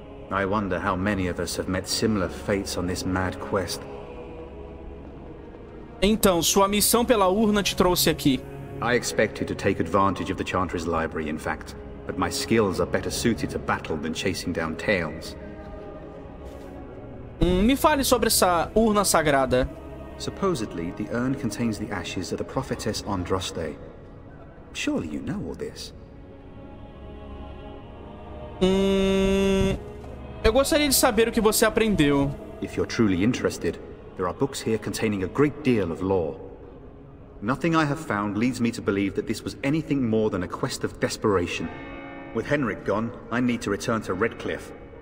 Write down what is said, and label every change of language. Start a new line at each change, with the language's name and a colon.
English: I wonder how many of us have met similar fates on this mad quest.
Portuguese: Então, sua missão pela urna te trouxe aqui.
English: I expected to take advantage of the Chantry's library, in fact. But my skills are better suited to battle than chasing down tales.
Portuguese: Me fale sobre essa urna sagrada.
English: Supposedly, the urn contains the ashes of the prophetess Andraste. Surely you know all this.
Portuguese: Eu gostaria de saber o que você aprendeu.
English: If you're truly interested, there are books here containing a great deal of lore. Nothing I have found leads me to believe that this was anything more than a quest of desperation. With Henrik gone, I need to return to Redcliffe.